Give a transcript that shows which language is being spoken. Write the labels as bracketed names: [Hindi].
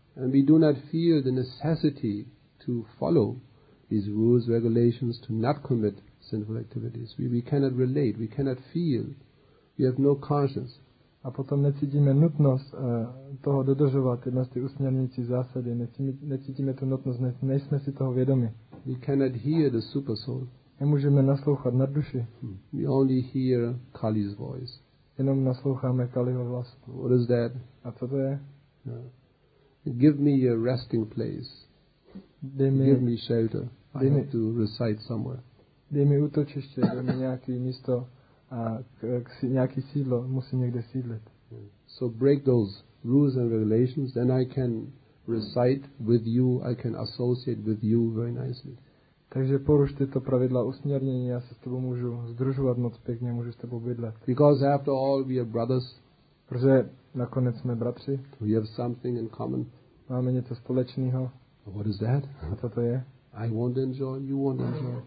[English] And we do not feel the necessity to follow these rules, regulations, to not commit sinful activities. We cannot relate, we cannot feel, we have no conscience. [Czech] A potom necítíme nutnost toho dodržovat jedna z těch usměrnící zásady. Necítíme tu nutnost, nejsme si toho vědomi. [English] We cannot hear the super soul. [Czech] Nemůžeme naslouchat nad duši. [English] We only hear Kali's voice. [Czech] Jenom nasloucháme Kaliho hlas. [English] What is that? [Czech] A co to je? [English] Give me your resting place. Give me shelter. I have to reside somewhere. [Czech] Dej mi útočiště, dej mi nějaké místo a nějaké sídlo, musím někde sídlit. [English] So break those rules and regulations, then I can reside with you, I can associate with you very nicely. [Czech] Takže poruš tyto pravidla usměrnění, já se s tebou můžu združovat moc pěkně, můžu s tebou bydlet. [English] Because after all we are brothers. [Czech] Protože nakonec jsme bratři. [English] We have something in common. [Czech] Máme něco společného. [English] What is that? [Czech] A co to je? [English] I won't enjoy, you won't enjoy.